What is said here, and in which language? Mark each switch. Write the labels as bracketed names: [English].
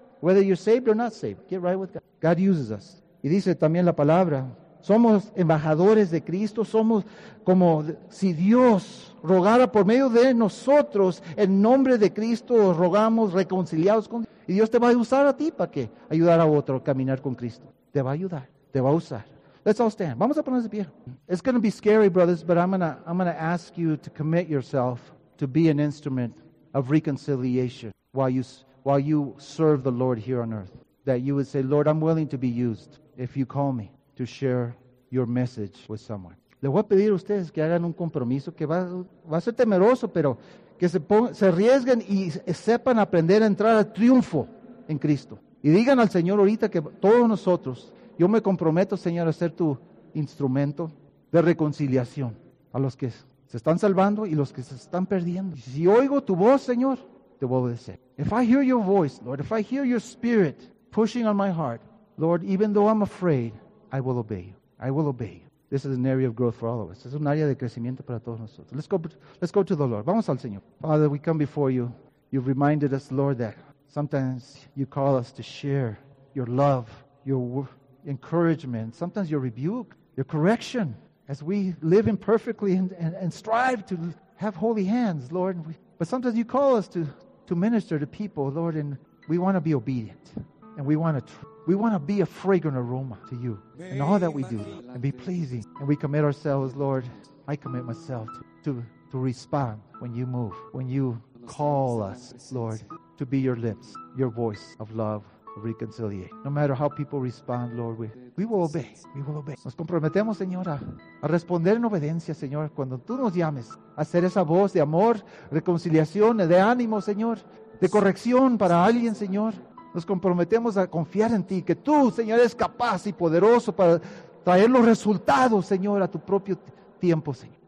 [English] Whether you're saved or not saved, get right with God. God uses us. [Spanish] Y dice también la palabra, somos embajadores de Cristo, somos como si Dios rogara por medio de nosotros, en nombre de Cristo rogamos reconciliados con Dios. Y Dios te va a usar a ti para que ayudar a otro a caminar con Cristo. Te va a ayudar, te va a usar. [English] Let's all stand. [Spanish] Vamos a ponernos de pie. [English] It's going to be scary, brothers, but I'm going to ask you to commit yourself to be an instrument of reconciliation while you serve the Lord here on earth. That you would say, Lord, I'm willing to be used if you call me to share your message with someone. [Spanish] Le voy a pedir a ustedes que hagan un compromiso que va a ser temeroso, pero que se arriesguen y sepan aprender a entrar al triunfo en Cristo. Y digan al Señor ahorita que todos nosotros, yo me comprometo, Señor, a ser tu instrumento de reconciliación a los que se están salvando y los que se están perdiendo. Si oigo tu voz, Señor, te voy a obedecer. [English] If I hear your voice, Lord, if I hear your spirit pushing on my heart, Lord, even though I'm afraid, I will obey you. I will obey you. This is an area of growth for all of us. [Spanish] Es un área de crecimiento para todos nosotros. [English] Let's go to the Lord. [Spanish] Vamos al Señor. [English] Father, we come before you. You've reminded us, Lord, that sometimes you call us to share your love, your encouragement, sometimes your rebuke, your correction. As we live imperfectly and strive to have holy hands, Lord, but sometimes you call us to minister to people, Lord, and we want to be obedient. And we want to be a fragrant aroma to you in all that we do and be pleasing. And we commit ourselves, Lord, I commit myself to respond when you move, when you call us, Lord, to be your lips, your voice of love, of reconciliation. No matter how people respond, Lord, we will obey. We will obey. [Spanish] Nos comprometemos, Señor, a responder en obediencia, Señor, cuando tú nos llames a ser esa voz de amor, reconciliación, de ánimo, Señor, de corrección para alguien, Señor. Nos comprometemos a confiar en ti, que tú, Señor, eres capaz y poderoso para traer los resultados, Señor, a tu propio tiempo, Señor.